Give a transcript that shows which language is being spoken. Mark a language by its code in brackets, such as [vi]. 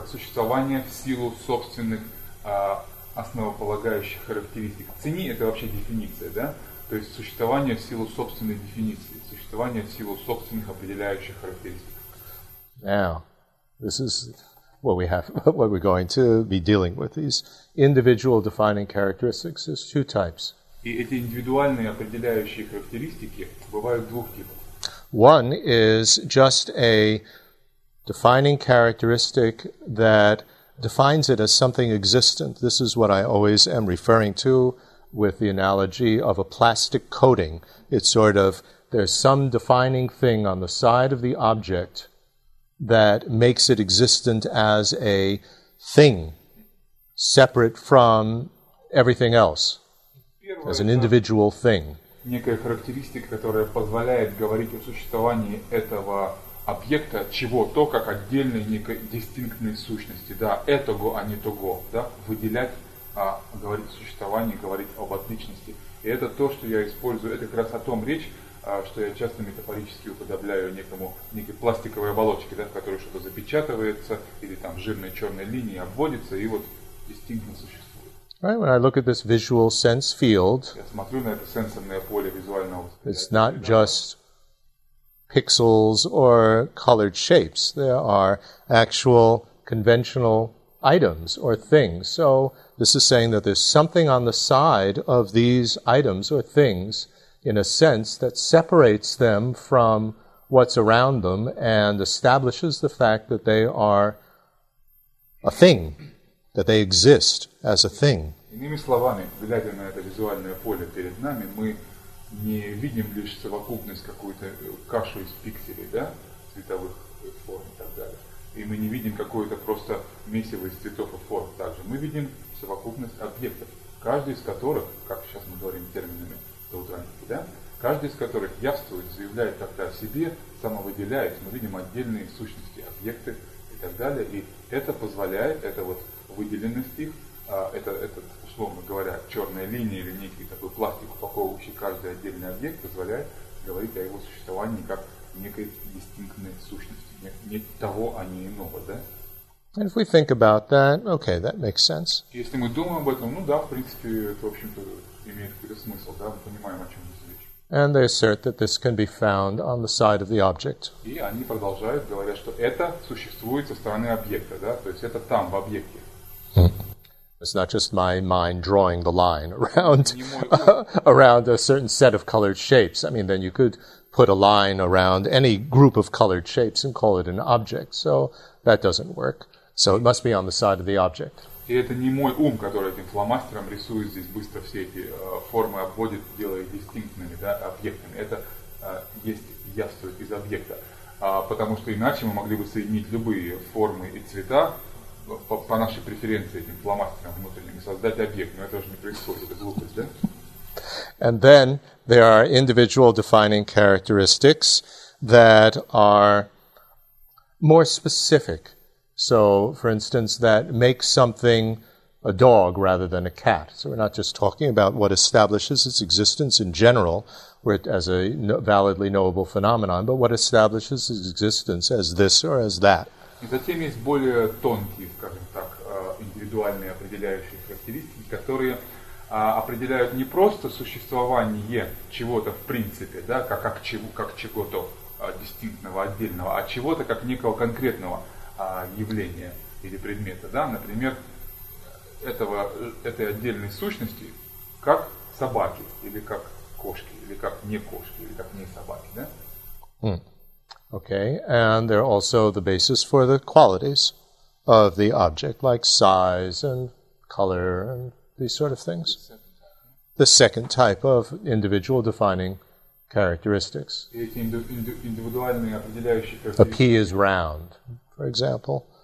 [ru] Как существование в силу собственных основополагающих характеристик. Цени – это вообще дефиниция, да? То есть существование в силу собственной дефиниции, существование в силу собственных определяющих характеристик. [en] Now, this is what we have, what we're going to be dealing with. These individual defining characteristics, there's two types. [ru] И эти индивидуальные определяющие характеристики бывают двух типов. [en] One is just a defining characteristic that defines it as something existent. This is what I always am referring to with the analogy of a plastic coating. It's sort of, there's some defining thing on the side of the object that makes it existent as a thing, separate from everything else, as an individual thing. [ru] Некая характеристика, которая позволяет говорить о существовании этого объекта, чего-то, как отдельной некой дистинктной сущности, да, этого, а не того, да, выделять, а говорить о существовании, говорить об отличности. И это то, что я использую, это как раз о том речь, что я часто метафорически уподобляю некому, некой пластиковой оболочке, да, в которой что-то запечатывается, или там жирной черной линией обводится, и вот дистинктно существует. [en] Right, when I look at this visual sense field, it's not just pixels or colored shapes. There are actual conventional items or things. So this is saying that there's something on the side of these items or things, in a sense, that separates them from what's around them and establishes the fact that they are a thing, that they exist as a thing. [ru] Иными словами, глядя на это визуальное поле перед нами, мы не видим лишь совокупность какую-то кашу из пикселей, да, цветовых форм и так далее. И мы не видим какое-то просто месиво из цветов и форм также. Мы видим совокупность объектов, каждый из которых, как сейчас мы говорим терминами доутранники, да, каждый из которых явствует, заявляет как-то о себе, самовыделяясь. Мы видим отдельные сущности, объекты и так далее. И это позволяет, это вот выделенность их, этот, условно говоря, черная линия или некий такой пластик, упаковывающий каждый отдельный объект, позволяет говорить о его существовании как некой дистинктной сущности, не того, а не иного, да? [en] And if we think about that, okay, that makes sense. [ru] Если мы думаем об этом, ну да, в принципе, это, в общем-то, имеет какой-то смысл, да, мы понимаем, о чем здесь речь. [en] And they assert that this can be found on the side of the object. [ru] И они продолжают, говорят, что это существует со стороны объекта, да, то есть это там, в объекте. [en] It's not just my mind drawing the line around around a certain set of colored shapes. I mean, then you could put a line around any group of colored shapes and call it an object. So that doesn't work. So it must be on the side of the object. [ru] И это не мой ум, который этим фломастером рисует здесь быстро все эти формы, обводит, делает дистинктными, да, объектами. Это есть явство из объекта. Потому что иначе мы могли бы соединить любые формы и цвета по нашей преференции этим фломастером внутренним создать объект, но это уже не происходит, это глупость, да? [en] And then there are individual defining characteristics that are more specific. So, for instance, that makes something a dog rather than a cat. So we're not just talking about what establishes its existence in general as a validly knowable phenomenon, but what establishes its existence as this or as that. [ru] И затем есть более тонкие, скажем так, индивидуальные определяющие характеристики, которые определяют не просто существование чего-то в принципе, да, как чего-то дистинктного, отдельного, а чего-то как некого конкретного явления или предмета, да, например, этой отдельной сущности, как собаки, или как кошки, или как не кошки, или как не собаки, да? [en] Okay, and they're also the basis for the qualities of the object, like size and color and these sort of things. The second type of individual defining characteristics. A pea is round, for example.